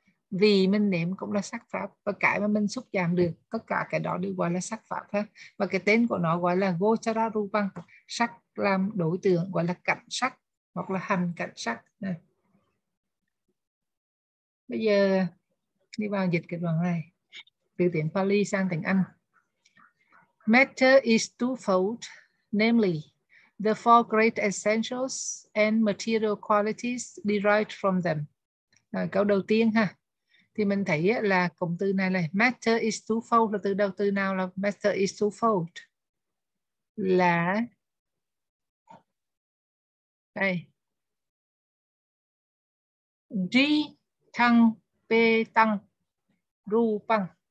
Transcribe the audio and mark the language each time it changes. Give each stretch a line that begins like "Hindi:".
Vietnamese: Vì mình nếm cũng là sắc pháp. Và cái mà mình xúc chạm được, tất cả cái đó đều gọi là sắc pháp ha. Và cái tên của nó gọi là Gochara Rupang, sắc làm đối tượng, gọi là cảnh sắc hoặc là hành cảnh sắc. Bây giờ đi vào dịch cái đoạn này từ tiếng Pali sang tiếng Anh.
English: Matter is twofold, namely the four great essentials and material qualities derived from them.
Vietnamese: Rồi, câu đầu tiên ha, thì mình thấy là cụm từ này là
English: matter is twofold,
Vietnamese: là từ đầu từ nào là matter is twofold, là đây Di Thăng, bê tăng, rupang.